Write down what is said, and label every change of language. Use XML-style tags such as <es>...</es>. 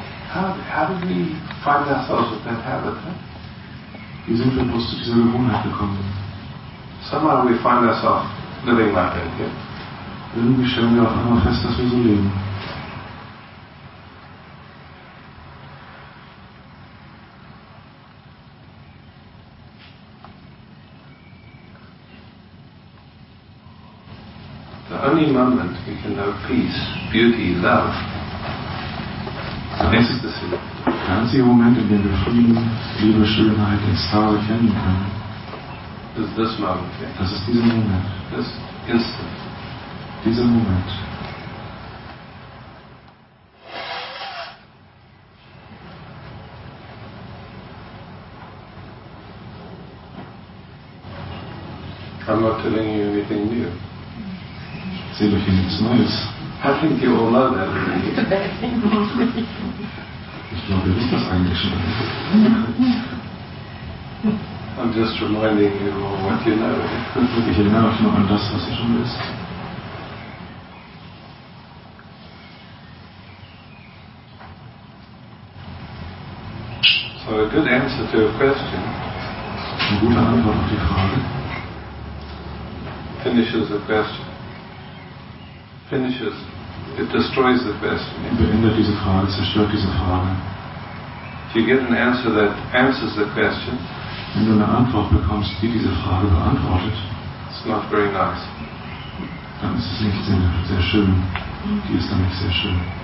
<en>How did we find ourselves with that habit, huh?</en> <de>Wie sind wir bloß zu dieser Gewohnheit gekommen?</de> <en>Somehow we find ourselves living like that, okay?</en> <de>Irgendwie stellen wir auf einmal fest, dass wir so leben.</de> <en>The only moment we can know peace, beauty, love.</en> <de>Das ist der einzige Moment, in dem wir Frieden, Liebe, Schönheit, Ekstase kennen können. Das ist</de> <en>this moment.</en> <de>Das ist dieser Moment. Das instant. Dieser Moment.</de> <en>I'm not telling you anything new.</en> <de>Sehe doch hier nichts Neues.</de> <en>I think you all know that.</en> <de>Ich glaube, ihr wisst das eigentlich schon.</de> <en>I'm just reminding you all what you know.</en> <de>Ich erinnere euch noch an das, was ihr schon wisst.</de> <en>So a good answer to a question.</en> <de>Eine gute Antwort auf die Frage.</de> <en>Finishes the question. Finishes. It destroys the question.</en> <de>Beendet diese Frage, zerstört diese Frage.</de> <en>If you get an answer that answers the question,</en> <de>wenn du eine Antwort bekommst, die diese Frage beantwortet,</de> <en>it's not very nice.</en> <de>Dann ist es nicht sehr schön. Die ist dann nicht sehr schön.</de>